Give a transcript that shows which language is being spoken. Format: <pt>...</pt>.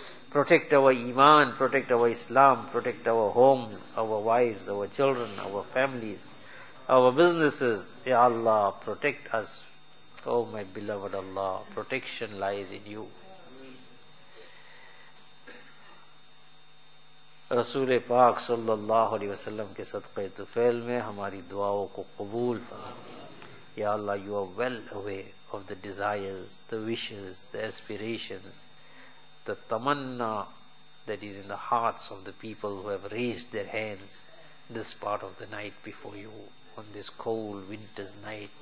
<en>Protect our iman, protect our Islam, protect our homes, our wives, our children, our families, our businesses. Ya Allah, protect us. Oh my beloved Allah, protection lies in you.</en> <ur>رسول پاک صلی اللہ علیہ وسلم کے صدقے طفیل میں ہماری دعاؤں کو قبول فرمائیں.</ur> <en>یا اللہ, you are well aware of the desires, the wishes, the aspirations, the tamanna that is in the hearts of the people who have raised their hands this part of the night before you on this cold winter's night.</en>